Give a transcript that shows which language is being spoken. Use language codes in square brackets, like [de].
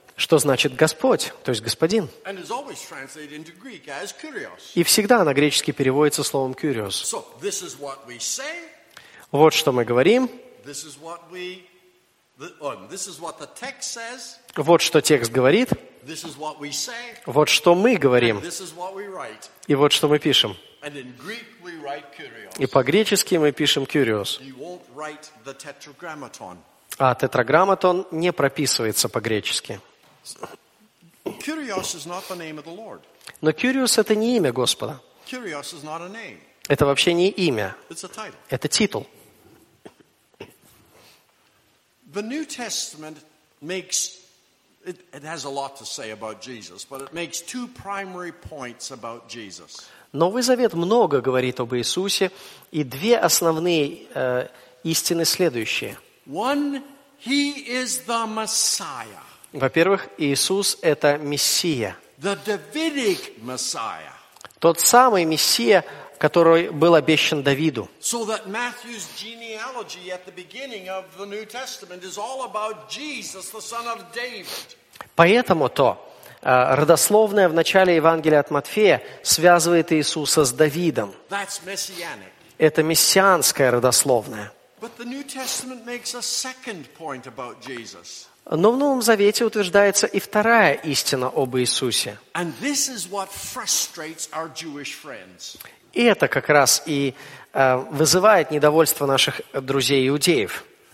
[ru] Что значит «Господь», то есть «Господин». [en] And is always translated into Greek as kurios. [ru] И всегда на греческий переводится словом «кюриос». [en] So, this is what we say, [ru] вот что мы говорим. [en] This is what we, this is what the text says, [ru] вот что текст говорит. [en] This is what we say, [ru] вот что мы говорим. [en] And this is what we write. [ru] И вот что мы пишем. [en] And in Greek we write kurios. [ru] И по-гречески мы пишем «кюриос». [en] You won't write the tetragrammaton. [ru] А тетраграмматон не прописывается по-гречески. [en] Kurios is not the name of the Lord. [ru] Но «кюриос» — это не имя Господа. [en] Kurios is not a name. [ru] Это вообще не имя. [en] It's a title. [ru] Это титул. [en] The New Testament makes... It has a lot to say about Jesus, but it makes two primary points about Jesus. [ru] Новый Завет много говорит об Иисусе, и две основные истины следующие. [en] One, he is the Messiah. [ru] Во-первых, Иисус — это Мессия. [en] The Davidic Messiah. [ru] Тот самый Мессия, который был обещан Давиду. [en] So that Matthew's genealogy at the beginning of the New Testament is all about Jesus, the son of David. [ru] Поэтому то родословное в начале Евангелия от Матфея связывает Иисуса с Давидом. [en] That's messianic. [ru] Это мессианское родословное. [en] But the New Testament makes a second point about Jesus. [ru] Но в Новом Завете утверждается и вторая истина об Иисусе. [en] And this is what frustrates our Jewish friends. [ru] И это как раз и вызывает недовольство наших друзей-иудеев.